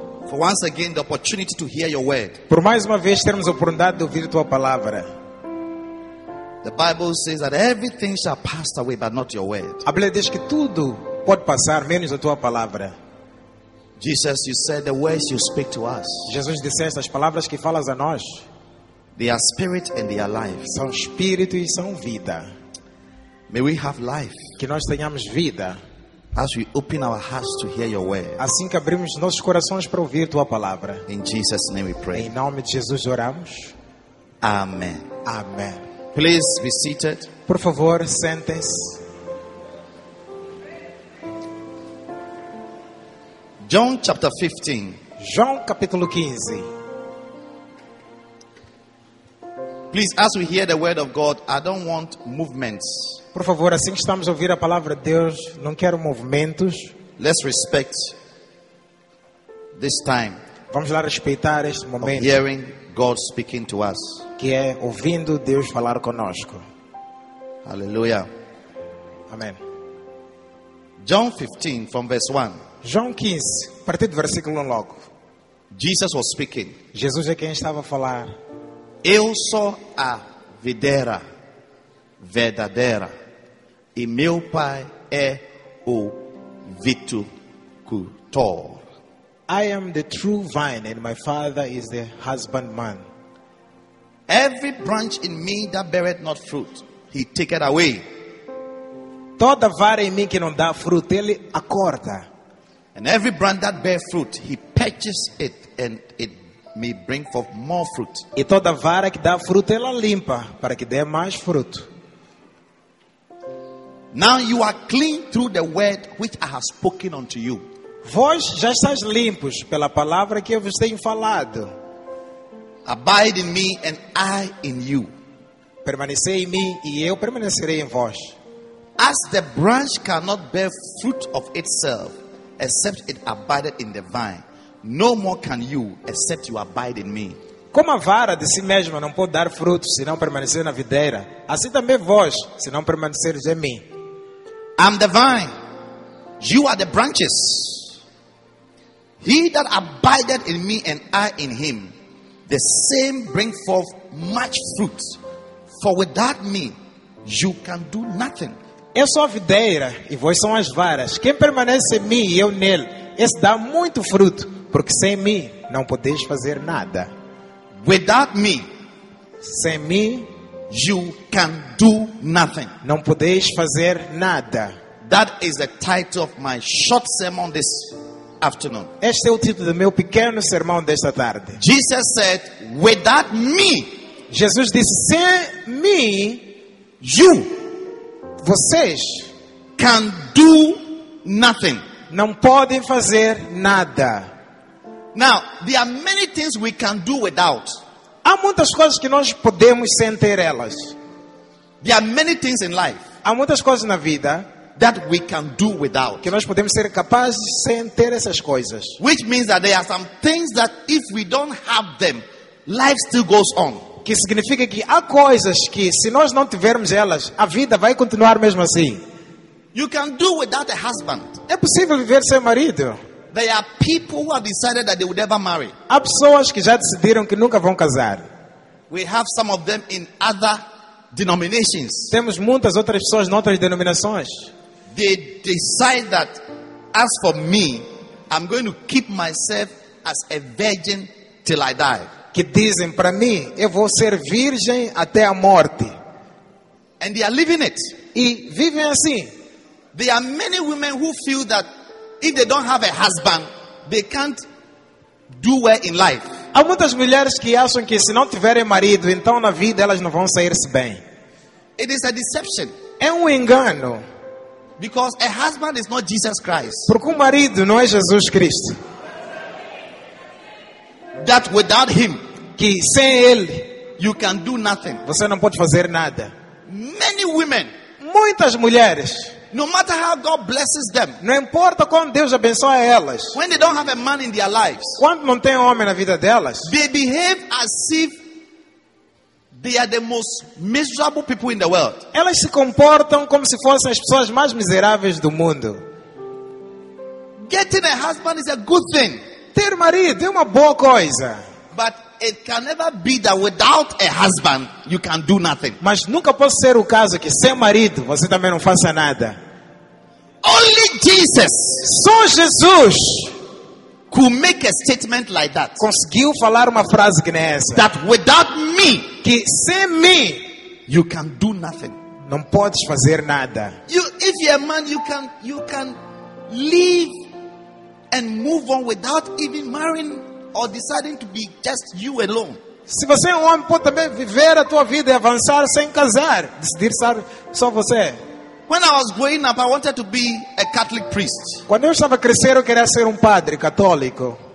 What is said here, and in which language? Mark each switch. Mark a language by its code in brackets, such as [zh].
[en] For once again, the opportunity to hear your word. [pt] Por mais uma vez termos a oportunidade de ouvir tua palavra. [en] The Bible says that everything shall pass away, but not your word. [pt] A Bíblia diz que tudo pode passar, menos a tua palavra. [en] Jesus, you said the words you speak to us. [pt] Jesus disse as palavras que falas a nós. [en] They are spirit and they are life. [pt] São espírito e são vida. [en] May we have life. [pt] Que nós tenhamos vida. [en] As we open our hearts to hear your word. [pt] Assim que abrimos nossos corações para ouvir tua palavra. [en] In Jesus' name we pray. [pt] Em nome de Jesus oramos. [en] Amen. [pt] Amen. [en] Please be seated. [pt] Por favor, sentem-se. [en] John chapter 15. [pt] João capítulo 15. [en] Please, as we hear the word of God, I don't want movements. [pt] Por favor, assim que estamos a ouvir a palavra de Deus, não quero movimentos. [en] Let's respect this time. [pt] Vamos lá respeitar este momento. [en] Hearing God speaking to us. [pt] Que é ouvindo Deus falar conosco. Aleluia. Amém. [en] John 15 from verse 1. [pt] João 15, a partir do versículo 1 logo. [en] Jesus was speaking. [pt] Jesus é quem estava a falar. Eu sou a videira verdadeira e meu pai é o viticultor. [en] I am the true vine and my father is the husbandman. Every branch in me that beareth not fruit, he taketh away. [pt] Toda vara em mim que não dá fruto, ele a corta. [en] And every branch that bear fruit, he purges it and it may bring forth more fruit. [pt] E toda vara que dá fruto, ela limpa para que dê mais fruto. [en] Now you are clean through the word which I have spoken unto you. [pt] Vós já estáis limpos pela palavra que eu vos tenho falado. [en] Abide in me and I in you. [pt] Permanecei em mim e eu permanecerei em vós. [en] As the branch cannot bear fruit of itself except it abideth in the vine, no more can you except you abide in me. [pt] Como a vara de si mesma não pode dar fruto se não permanecer na videira, assim também vós, se não permaneceres em mim. [en] I'm the vine, you are the branches. He that abideth in me and I in him, the same bring forth much fruit. For without me, you can do nothing. [pt] Eu sou a videira e vós são as varas. Quem permanece em mim e eu nele, esse dá muito fruto. Porque sem mim não podeis fazer nada. [en] Without me, [pt] sem mim, [en] you can do nothing. [pt] Não podeis fazer nada. [en] That is the title of my short sermon this afternoon. [pt] Este é o título do meu pequeno sermão desta tarde. [en] Jesus said, without me, [pt] Jesus disse sem mim, [en] you, [pt] vocês, [en] can do nothing. [pt] Não podem fazer nada. [en] Now, there are many things we can do without. [pt] Há muitas coisas que nós podemos sem ter elas. [en] There are many things in life. [pt] Há muitas coisas na vida [en] that we can do without. [pt] Que nós podemos ser capazes sem ter essas coisas. [en] Which means that there are some things that if we don't have them, life still goes on. [pt] Que significa que há coisas que se nós não tivermos elas, a vida vai continuar mesmo assim. [en] You can do without a husband. [pt] É possível viver sem marido? [en] There are people who have decided that they would never marry. [pt] Há pessoas que já decidiram que nunca vão casar. [en] We have some of them in other denominations. [pt] Temos muitas outras pessoas em outras denominações. [en] They decide that, as for me, I'm going to keep myself as a virgin till I die. [pt] Que dizem para mim, eu vou ser virgem até a morte. [en] And they are living it. [pt] E vivem assim. [en] There are many women who feel that if they don't have a husband, they can't do well in life. [pt] Há muitas mulheres que acham que se não tiverem marido, então na vida elas não vão sair-se bem. [en] It is a deception. [pt] É engano. [en] Because a husband is not Jesus Christ. [pt] Porque marido não é Jesus Cristo. [en] That without him, [pt] que sem ele, [en] you can do nothing. [pt] Você não pode fazer nada. [en] Many women, [pt] muitas mulheres. [en] No matter how God blesses them. [pt] Não importa quando Deus abençoa elas. [en] When they don't have a man in their lives. [pt] Quando não tem homem na vida delas. [en] They behave as if they are the most miserable people in the world. [pt] Elas se comportam como se fossem as pessoas mais miseráveis do mundo. [en] Getting a husband is a good thing. [pt] Ter marido é uma boa coisa. [en] But it can never be that without a husband you can do nothing. [pt] Mas nunca pode ser o caso que sem marido você também não faça nada. [en] Only Jesus. [pt] Só Jesus [en] could make a statement like that. [pt] Conseguiu falar uma frase que nem essa. [en] That without me, [pt] que sem me, [en] you can do nothing. [pt] Não podes fazer nada. [en] You, if you're a man, you can live and move on without even marrying or deciding to be just you alone. [pt] Se você é um homem, pode também viver a tua vida e avançar sem casar, decidir ser só você. [en] When I was growing up, I wanted to be a Catholic priest. [pt] Quando eu estava a crescer, eu queria ser padre católico.